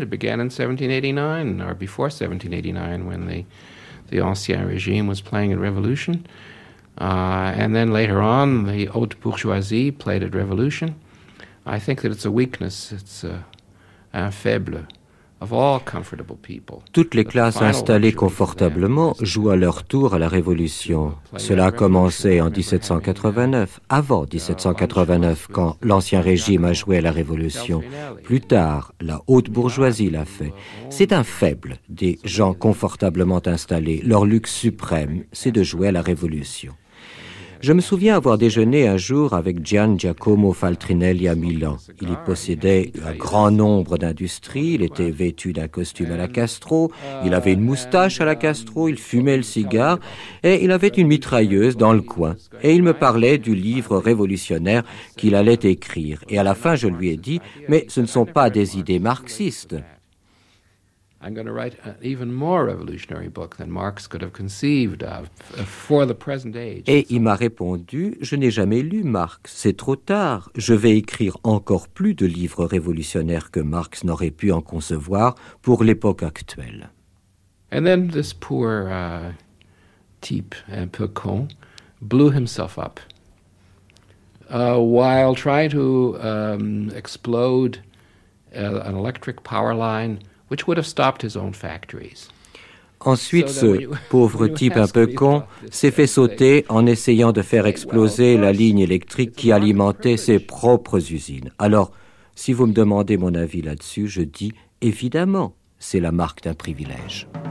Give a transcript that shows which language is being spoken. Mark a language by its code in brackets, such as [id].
[en] It began in 1789, or before 1789, when the Ancien Régime was playing at Revolution. And then later on, the Haute Bourgeoisie played at Revolution. I think that it's a weakness, it's [fr] un faible [en] of all comfortable people. [fr] Toutes les classes installées confortablement jouent à leur tour à la Révolution. Cela a commencé en 1789, avant 1789, quand l'Ancien Régime a joué à la Révolution. Plus tard, la haute bourgeoisie l'a fait. C'est un faible des gens confortablement installés. Leur luxe suprême, c'est de jouer à la Révolution. Je me souviens avoir déjeuné un jour avec Gian Giacomo Faltrinelli à Milan. Il y possédait un grand nombre d'industries, il était vêtu d'un costume à la Castro, il avait une moustache à la Castro, il fumait le cigare et il avait une mitrailleuse dans le coin. Et il me parlait du livre révolutionnaire qu'il allait écrire. Et à la fin, je lui ai dit, mais ce ne sont pas des idées marxistes. [en] I'm going to write an even more revolutionary book than Marx could have conceived of for the present age. [fr] Et il m'a répondu, je n'ai jamais lu Marx, c'est trop tard. Je vais écrire encore plus de livres révolutionnaires que Marx n'aurait pu en concevoir pour l'époque actuelle. [en] And then this poor type, [fr] un peu con, [en] blew himself up while trying to explode an electric power line. Which would have stopped his own factories. [fr] Ensuite, ce pauvre type un peu con s'est fait sauter en essayant de faire exploser la ligne électrique qui alimentait ses propres usines. Alors, si vous me demandez mon avis là-dessus, je dis, évidemment, c'est la marque d'un privilège.